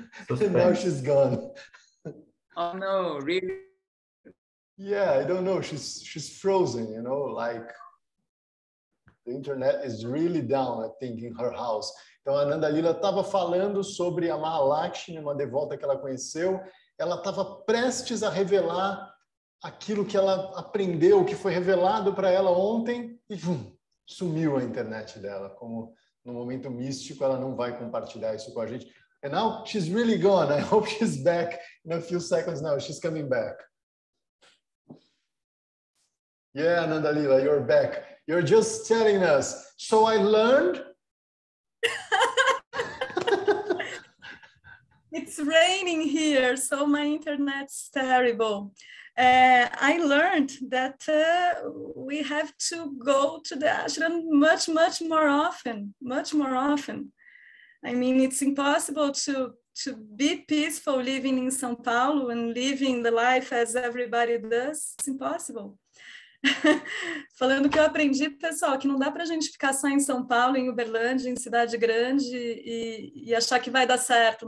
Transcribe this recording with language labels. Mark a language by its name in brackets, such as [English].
[English] And now she's gone. Oh no, really? Yeah, I don't know. She's frozen, you know, like the internet is really down, I think, in her house. [Portuguese] Então, a Ananda Leela estava falando sobre a Mahalakshmi, uma devota que ela conheceu. Ela estava prestes a revelar aquilo que ela aprendeu, que foi revelado para ela ontem, e vum, sumiu a internet dela. Como no momento místico, ela não vai compartilhar isso com a gente. [English] And now she's really gone. I hope she's back in a few seconds now. She's coming back. Yeah, Ananda Leela, you're back. You're just telling us. So I learned. It's raining here, so my internet's terrible. I learned that we have to go to the ashram much, much more often. I mean, it's impossible to to be peaceful living in São Paulo and living the life as everybody does, it's impossible. [Portuguese] Falando que eu aprendi, pessoal, que não dá pra gente ficar só em São Paulo, em Uberlândia, em cidade grande e achar que vai dar certo.